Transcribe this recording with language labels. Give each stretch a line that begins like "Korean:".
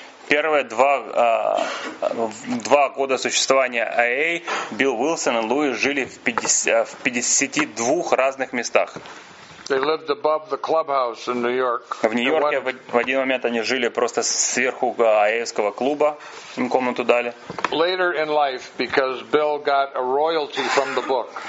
Russian: Первые два года существования AA Билл Уилсон и Луис жили в 52 разных местах.
English: They lived above the clubhouse in New York.
Russian: В Нью-Йорке в один момент они жили просто сверху АЭ-ского клуба. Им комнату дали.
English: Later in life, because Bill got a royalty from the book.